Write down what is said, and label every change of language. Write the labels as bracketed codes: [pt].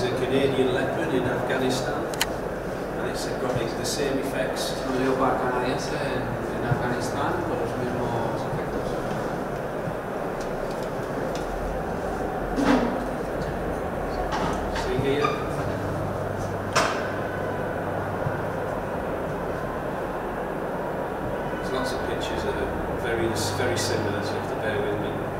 [en] Canadian leopard in Afghanistan, and it's got the same effects. [es] Un leopardo canadiense en Afganistán con los mismos efectos. [en] See here. There's lots of pictures that are very, very similar, so you have to bear with me.